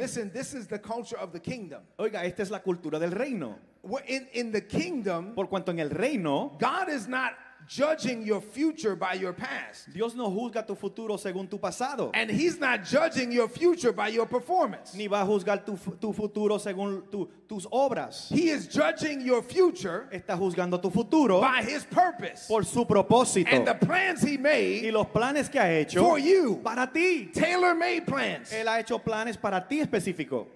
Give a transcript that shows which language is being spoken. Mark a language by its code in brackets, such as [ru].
[en] Listen, this is the culture of the kingdom. [es] Oiga, esta es la cultura del reino. [en] In the kingdom, [es] por cuanto en el reino, [en] God is not judging your future by your past. [es] Dios no juzga tu futuro según tu pasado. [en] And he's not judging your future by your performance. [es] Ni va a juzgar tu futuro según tus obras. [en] He is judging your future. [es] Está juzgando tu futuro. [en] By his purpose. [es] Por su propósito. [en] And the plans he made. [es] Y los planes que ha hecho. [en] For you. [es] Para ti. [en] Tailor-made plans. [es] Él ha hecho planes para ti específico.